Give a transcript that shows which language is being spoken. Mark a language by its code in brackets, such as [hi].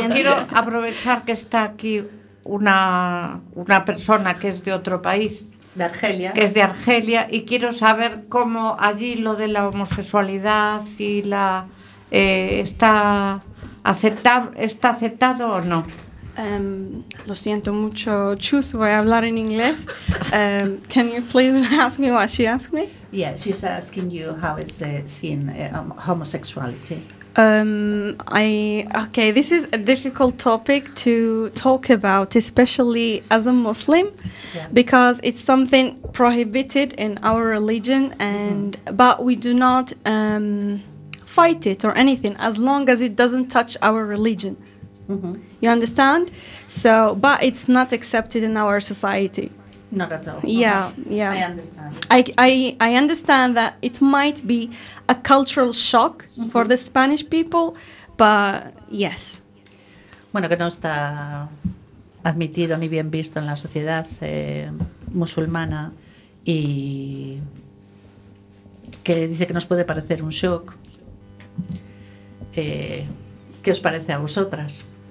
[es] Pero quiero aprovechar que está aquí una persona que es de otro país. De Argelia. Que es de Argelia. Y quiero saber cómo allí lo de la homosexualidad y la... ¿está aceptado o no? Lo siento mucho, Chus, voy a hablar en inglés. [en] Can you please ask me what she asked me? Yeah, she's asking you how is seen homosexuality. Okay, this is a difficult topic to talk about, especially as a Muslim, because it's something prohibited in our religion, and but we do not fight it or anything, as long as it doesn't touch our religion. Mm-hmm. You understand? So, but it's not accepted in our society. Not at all. Yeah, okay. Yeah. I understand. I understand that it might be a cultural shock for the Spanish people, but yes. [es] Bueno, que no está admitido ni bien visto en la sociedad musulmana, y que dice que nos puede parecer un shock. ¿Qué os parece a vosotras?